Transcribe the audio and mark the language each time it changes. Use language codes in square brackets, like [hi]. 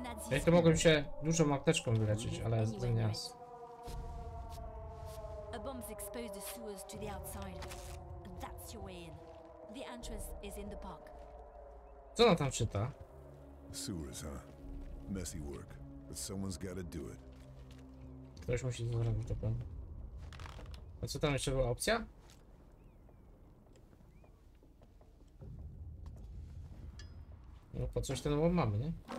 [pl] Ja to mogłem się dużą apteczką wyleczyć, ale zmieniając. [en] A bomb exposed the sewers to the outside. That's your way in. The entrance is in the park. [pl] Co ona tam czyta? [en] Sewers, huh? Messy work, but someone's gotta do it. [pl] Ktoś musi to zrobić, to pewnie. A co tam jeszcze była opcja? No po coś ten łom mamy, nie?